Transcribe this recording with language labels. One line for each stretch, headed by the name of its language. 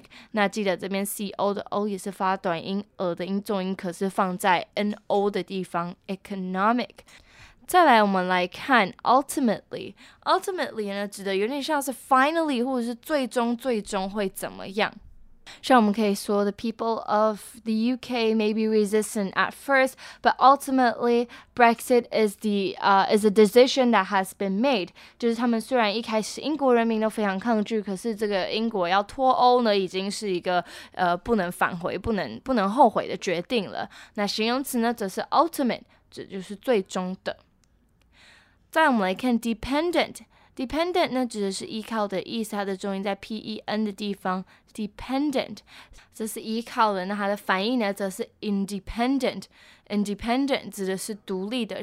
Chinese: 那记得这边 CO 的 O 也是发短音，鹅的音重音可是放在 NO 的地方 economic。再来我们来看 ultimately 呢，指的有点像是 finally 或者是最终会怎么样。像我们可以说
English: The people of the UK may be resistant at first, but ultimately Brexit is a decision that has been made.
Chinese: 就是他们虽然一开始英国人民都非常抗拒，可是这个英国要脱欧呢已经是一个不能返回不能后悔的决定了。那形容词呢则是 ultimate， 指就是最终的。再来我们来看 dependent 呢，指的是依靠的意思，它的重音在 pen 的地方 ，dependent， 这是依靠的。那它的反义呢，则是 independent 指的是独立的。